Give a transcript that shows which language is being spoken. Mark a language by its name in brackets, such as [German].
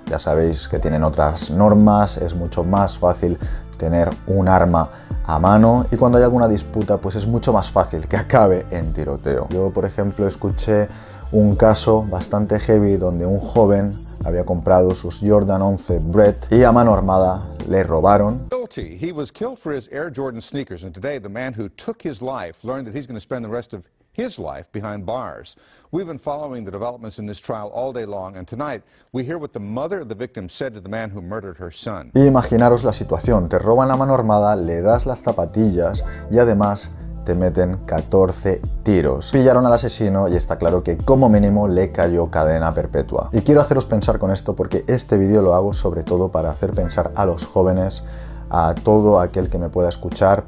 [Spanish] Ya sabéis que tienen otras normas, es mucho más fácil tener un arma a mano y cuando hay alguna disputa, pues es mucho más fácil que acabe en tiroteo. Yo, por ejemplo, escuché un caso bastante heavy donde un joven había comprado sus Jordan 11 Bred y a mano armada le robaron. [English] Guilty. He was killed for his Air Jordan sneakers and today the man who took his life learned that he's going to spend the rest of his life behind bars. We've been following the developments in this trial all day long and tonight we hear what the mother of the victim said to the man who murdered her son. [Spanish] Y imaginaros la situación, te roban a mano armada, le das las zapatillas y además te meten 14 tiros. Pillaron al asesino y está claro que como mínimo le cayó cadena perpetua. Y quiero haceros pensar con esto porque este vídeo lo hago sobre todo para hacer pensar a los jóvenes, a todo aquel que me pueda escuchar.